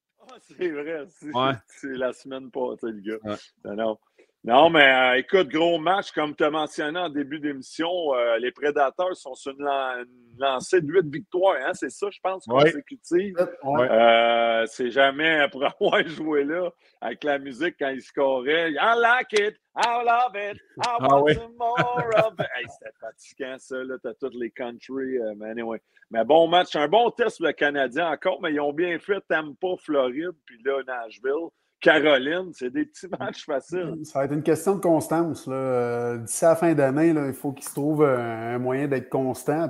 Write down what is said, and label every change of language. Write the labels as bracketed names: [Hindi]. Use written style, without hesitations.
[French] Ah, c'est vrai. C'est la semaine passée, le gars. Ouais. Non. Non, mais écoute, gros match, comme tu as mentionné en début d'émission, les Prédateurs sont sur une lancée de 8 victoires, hein? C'est ça, je pense, consécutive. Oui. C'est jamais pour avoir joué là avec la musique quand ils scoraient. [English] I like it, I love it, I want more of it. [French] Hey, c'était fatigant, ça, là, t'as toutes les country. Mais anyway, mais bon match, un bon test pour le Canadien encore, mais ils ont bien fait Tampa, Floride, puis là, Nashville. Caroline, c'est des petits matchs faciles. Ça va être une question de constance. Là. D'ici à la fin d'année, là, il faut qu'ils se trouvent un moyen d'être constant.